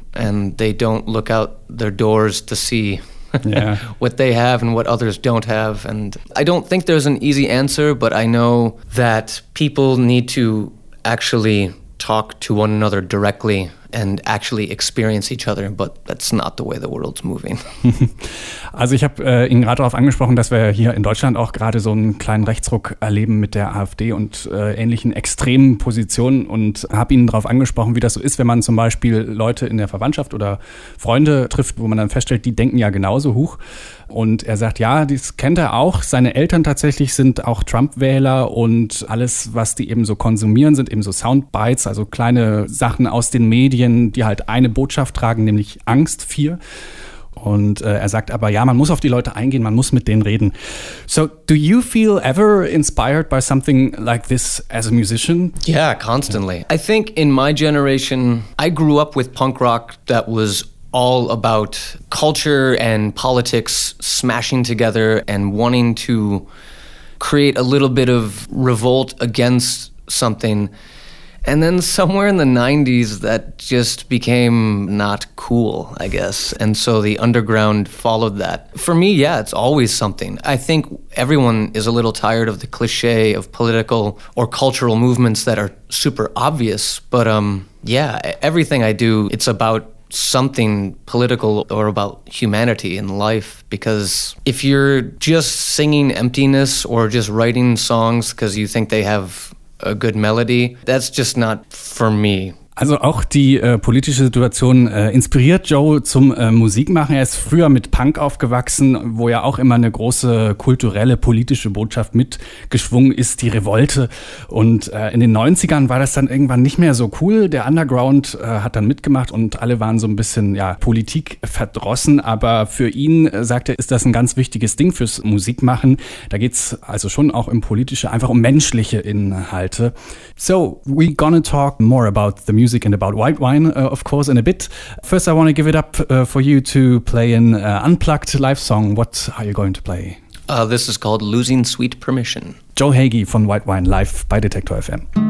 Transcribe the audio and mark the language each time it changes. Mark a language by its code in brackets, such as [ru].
[en] And they don't look out their doors to see what they have and what others don't have. And I don't think there's an easy answer, but I know that people need to actually talk to one another directly and actually experience each other, but that's not the way the world's moving. [de] Also ich habe ihn gerade darauf angesprochen, dass wir hier in Deutschland auch gerade so einen kleinen Rechtsruck erleben mit der AfD und ähnlichen extremen Positionen, und habe ihn darauf angesprochen, wie das so ist, wenn man zum Beispiel Leute in der Verwandtschaft oder Freunde trifft, wo man dann feststellt, die denken ja genauso hoch. Und er sagt, ja, das kennt er auch. Seine Eltern tatsächlich sind auch Trump-Wähler und alles, was die eben so konsumieren, sind eben so Soundbites, also kleine Sachen aus den Medien, die halt eine Botschaft tragen, nämlich Angst, Fear. Und er sagt aber, ja, man muss auf die Leute eingehen, man muss mit denen reden. [en] So, do you feel ever inspired by something like this as a musician? Yeah, constantly. I think in my generation, I grew up with punk rock that was all about culture and politics smashing together and wanting to create a little bit of revolt against something. And then somewhere in the 90s, that just became not cool, I guess. And so the underground followed that. For me, yeah, it's always something. I think everyone is a little tired of the cliche of political or cultural movements that are super obvious. But yeah, everything I do, it's about something political or about humanity in life, because if you're just singing emptiness or just writing songs because you think they have a good melody, that's just not for me. [de] Also auch die politische Situation inspiriert Joe zum Musikmachen. Er ist früher mit Punk aufgewachsen, wo ja auch immer eine große kulturelle, politische Botschaft mitgeschwungen ist, die Revolte. Und in den 90ern war das dann irgendwann nicht mehr so cool. Der Underground hat dann mitgemacht und alle waren so ein bisschen ja Politik verdrossen. Aber für ihn, sagt er, ist das ein ganz wichtiges Ding fürs Musikmachen. Da geht's also schon auch im Politische, einfach um menschliche Inhalte. [en] So, we're gonna talk more about the music and about white wine, of course, in a bit. First, I want to give it up for you to play an unplugged live song. What are you going to play? This is called Losing Sweet Permission. [de] Joe Hagey von White Wine live bei Detektor FM.